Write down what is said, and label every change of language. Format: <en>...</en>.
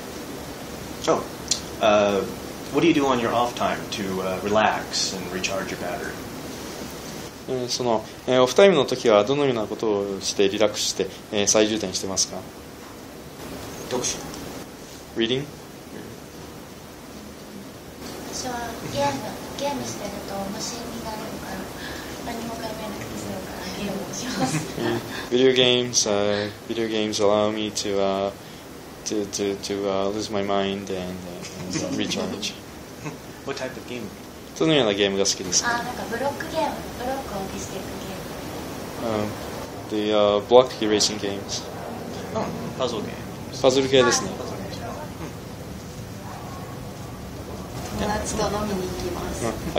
<en>what do you do on your off time to relax and recharge your battery?</en> <ja>その、オフタイムの時はどのようなことをしてリラックスして、再充電してますか？読書。</ja> <en>Reading?</en> <ja>私はゲームしてると無心になるから何も考えなくて済むからゲームをします。</ja> <en>Video games allow me to lose my mind and recharge. What type of game?</en> <ja>どのようなゲームが好きですか？あ、なんかブロックゲーム、ブロックを消していくゲーム。</ja> <en>Block Erasing Games。</en> <ja>パズルゲーム。パズル系ですね。友達と飲みに行きます。</ja>